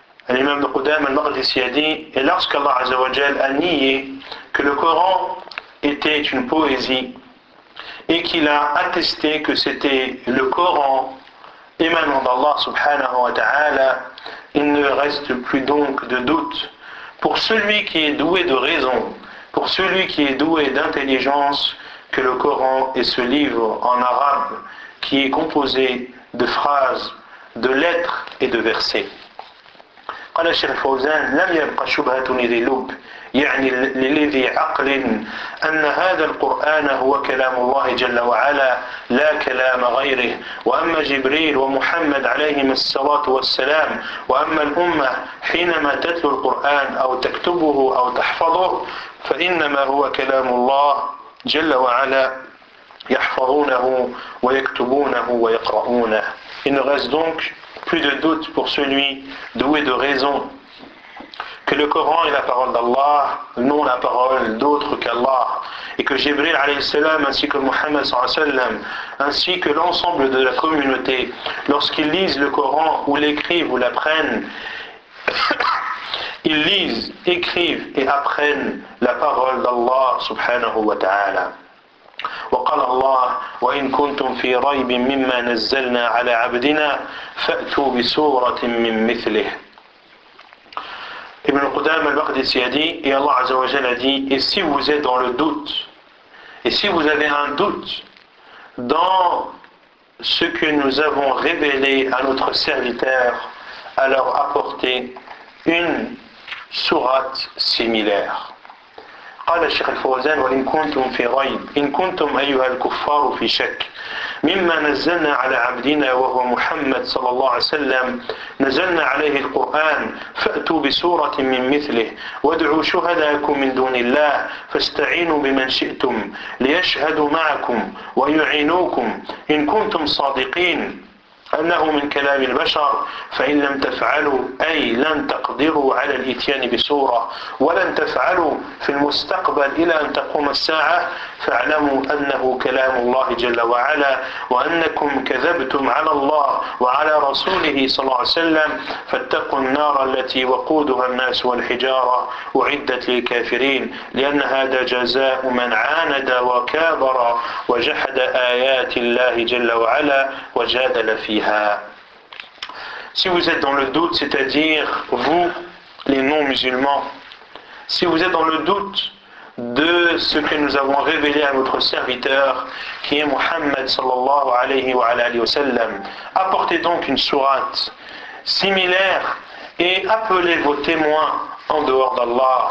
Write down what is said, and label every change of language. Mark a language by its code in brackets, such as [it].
[ar] الإمام القدامى المقدسي يدين لأسك الله عز وجل أنية [fr] que le Coran était une poésie et qu'il a attesté que c'était le Coran émanant d'Allah subhanahu wa ta'ala, il ne reste plus donc de doute. Pour celui qui est doué de raison, pour celui qui est doué d'intelligence, que le Coran est ce livre en arabe qui est composé de phrases, de lettres et de versets. [ar] قال الشيخ الفوزان لم يبق شبهة لذي لب يعني لذي عقل أن هذا القرآن هو كلام الله جل وعلا لا كلام غيره وأما جبريل ومحمد عليهم الصلاة والسلام وأما الأمة حينما تتلو القرآن أو تكتبه أو تحفظه فإنما هو كلام الله جل وعلا يحفظونه ويكتبونه ويقرؤونه. [fr] Il ne reste donc plus de doute pour celui doué de raison que le Coran est la parole d'Allah, non la parole d'autre qu'Allah, et que Jibril alayhi salam ainsi que Muhammad sallallahu alayhi wa sallam ainsi que l'ensemble de la communauté, lorsqu'ils lisent le Coran ou l'écrivent ou l'apprennent, ils lisent, écrivent et apprennent la parole d'Allah subhanahu wa ta'ala. [ar] وقال الله وإن كنتم في ريب مما نزلنا على عبدنا فأتوا بسورة من مثله. [fr] Ibn Qudam al-Baqdisi a dit, et Allah Azza wa Jalla a dit, et si vous êtes dans le doute, et si vous avez un doute dans ce que nous avons révélé à notre serviteur, alors apportez une sourate similaire. [ar] قال الشيخ الفوزان وإن كنتم في ريب إن كنتم أيها الكفار في شك مما نزلنا على عبدنا وهو محمد صلى الله عليه وسلم نزلنا عليه القرآن فأتوا بسورة من مثله وادعوا شهداءكم من دون الله فاستعينوا بمن شئتم ليشهدوا معكم ويعينوكم إن كنتم صادقين أنه من كلام البشر فإن لم تفعلوا أي لن تقدروا على الإتيان بسورة ولن تفعلوا في المستقبل إلى أن تقوم الساعة فاعلموا أنه كلام الله جل وعلا وأنكم كذبتم على الله وعلى رسوله صلى الله عليه وسلم فاتقوا النار التي وقودها الناس والحجارة أعدت للكافرين لأن هذا جزاء من عاند وكابر وجحد آيات الله جل وعلا وجادل فيه. [fr] Si vous êtes dans le doute, c'est-à-dire vous, les non-musulmans, si vous êtes dans le doute de ce que nous avons révélé à notre serviteur, qui est Muhammad sallallahu alayhi wa alayhi wa sallam, apportez donc une sourate similaire et appelez vos témoins en dehors d'Allah.